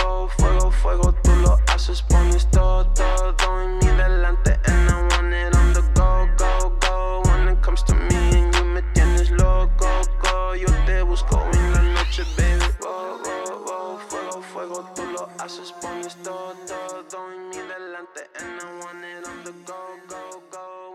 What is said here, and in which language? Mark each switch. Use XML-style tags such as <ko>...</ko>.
<es>Fuego, fuego, tú lo haces, pones todo en mi delante.</es> <en>And I want it on the go, go, go. When it comes to me and you</en> <es>me tienes loco,</es> <en>go.</en> <es>Yo te busco en la noche, baby. Fuego, fuego, tú lo haces, pones todo en mi delante.</es> <en>And I want it on the go, go, go.</en>